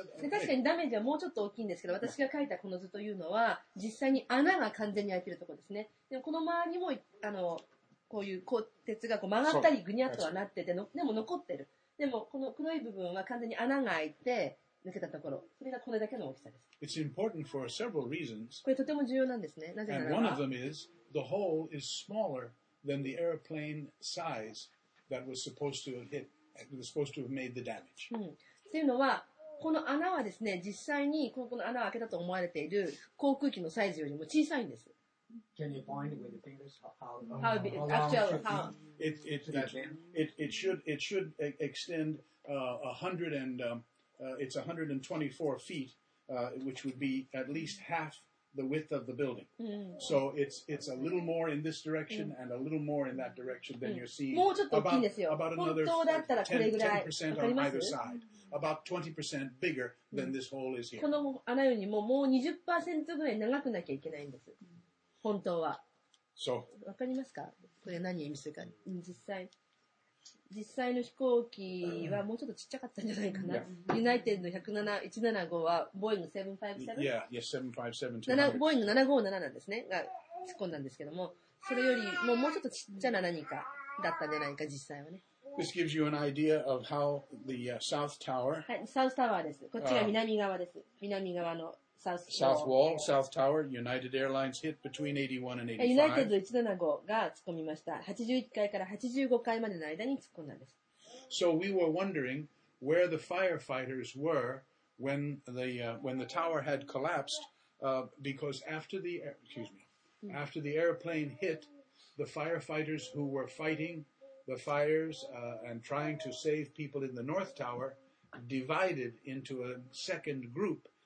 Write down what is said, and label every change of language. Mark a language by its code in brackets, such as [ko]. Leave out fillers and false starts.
[ja] 確かにダメージはもうちょっと大きいんですけど、私が描いたこの図というのは実際に穴が完全に開いているところですね。でもこの周りもあのこういう鉄がこう曲がったりぐにゃっとはなってて、でも残ってる。でもこの黒い部分は完全に穴が開いて抜けたところ、それがこれだけの大きさです。 [en] It's important for several reasons. [ja] これとても重要なんですね。なぜならば、 [en] and one of them is the hole is smaller than the airplane size that was supposed to hit, was supposed to have made the damage. [ja] っていうのは、この穴はですね、実際にこの穴を開けたと思われている航空機のサイズよりも小さいんです。 [en] Can you point with your fingers how long actually, should how? It should extend 100 and it's 124 feet, which would be at least half the width of the building. Mm. So it's a little more in this direction and a little more in that direction than you're seeing. [ja] もうちょっと大きいんですよ。 [en] About another 10% on either side. About 20% bigger than this hole is here. [ja] この穴よりももう 20% ぐらい長くなきゃいけないんです。本当は。そう。わかりますか？これ何を意味するか。実際の飛行機はもうちょっとちっちゃかったんじゃないかな。ユナイテッドの175はボーイング757。 [en] Yeah, yes, 757. [ja] ボーイング757なんですね。が突っ込んだんですけども、それよりももうちょっとちっちゃな何かだったんじゃないか、実際はね。 [en] This gives you an idea of how the South Tower. [ja] はい、South Tower です。こっちが南側です。南側の。 [en] South Wall, South Tower, United Airlines hit between 81 and 85. [ja] United 175が突っ込みました。 81階から85階までの間に突っ込んだんです。 [en] So we were wondering where the firefighters were when the tower had collapsed, because after the airplane hit, the firefighters who were fighting the fires, and trying to save people in the North Tower divided into a second group.